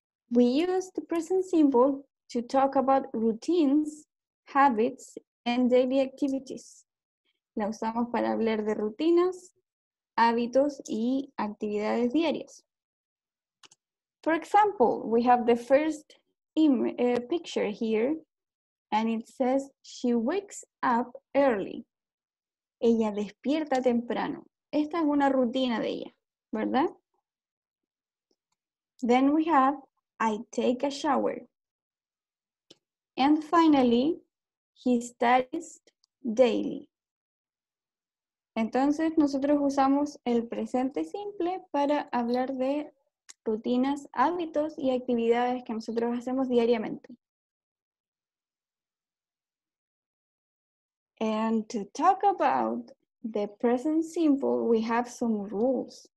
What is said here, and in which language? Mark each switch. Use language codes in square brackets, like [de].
[en] We use the present simple to talk about routines, habits, and daily activities. [es] La usamos para hablar de rutinas, hábitos y actividades diarias. [en] For example, we have the first picture here, and it says, she wakes up early. [es] Ella despierta temprano. Esta es una rutina de ella, ¿verdad? [en] Then we have, I take a shower. And finally, he studies daily. [es] Entonces, nosotros usamos el presente simple para hablar de rutinas, hábitos y actividades que nosotros hacemos diariamente. [en] And to talk about the present simple, we have some rules.